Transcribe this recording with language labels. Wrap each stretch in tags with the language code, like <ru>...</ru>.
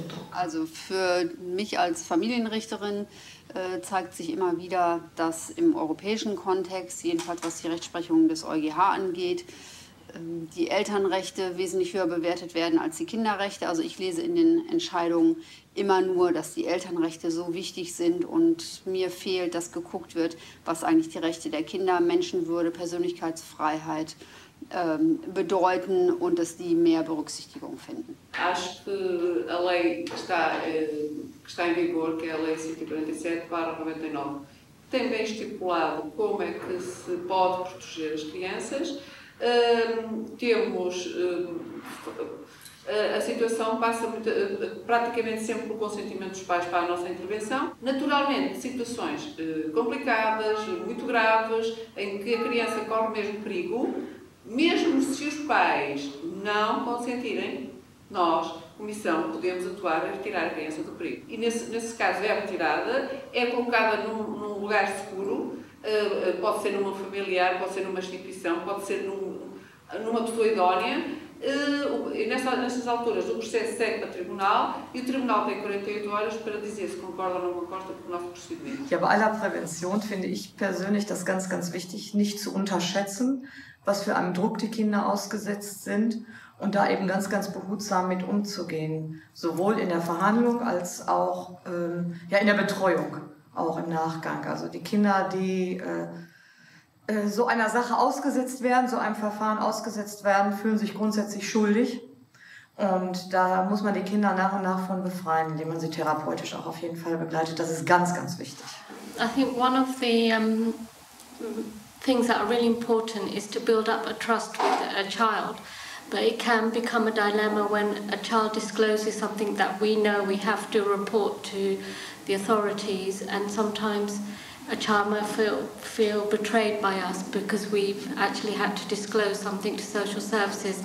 <de>Also für mich als Familienrichterin zeigt sich immer wieder, dass im europäischen Kontext, jedenfalls was die Rechtsprechung des EuGH angeht, die Elternrechte wesentlich höher bewertet werden als die Kinderrechte. Also ich lese in den Entscheidungen immer nur, dass die Elternrechte so wichtig sind und mir fehlt, dass geguckt wird, was eigentlich die Rechte der Kinder, Menschenwürde, Persönlichkeitsfreiheit bedeuten und dass die mehr Berücksichtigung finden.</de> <pt>Acho que a lei que está em vigor, que é a lei 147/99, tem bem estipulado como é que se pode proteger as crianças. Temos a situação passa praticamente sempre por consentimento dos pais para a nossa intervenção. Naturalmente, situações complicadas, muito graves, em que a criança corre mesmo perigo. Mesmo se os pais não consentirem, nós, comissão, podemos atuar a retirar a criança do perigo. E nesse caso é retirada, é colocada num lugar seguro, pode ser numa familiar, pode ser numa instituição, pode ser numa pessoa idónea. Nessas alturas o processo segue para o tribunal e o tribunal tem 48 horas para dizer se concorda ou não concorda com o nosso procedimento.</pt> <de>Ja, bei aller Prävention finde ich persönlich das ganz, ganz wichtig, nicht zu unterschätzen, was für einen Druck die Kinder ausgesetzt sind und da eben ganz, ganz behutsam mit umzugehen, sowohl in der Verhandlung als auch ja, in der Betreuung, auch im Nachgang. Also die Kinder, die so einer Sache ausgesetzt werden, so einem Verfahren ausgesetzt werden, fühlen sich grundsätzlich schuldig. Und da muss man die Kinder nach und nach von befreien, indem man sie therapeutisch auch auf jeden Fall begleitet. Das ist ganz, ganz wichtig.</de> <en>I think one of the things that are really important is to build up a trust with a child. But it can become a dilemma when a child discloses something that we know we have to report to the authorities, and sometimes a child might feel betrayed by us because we've actually had to disclose something to social services.</en>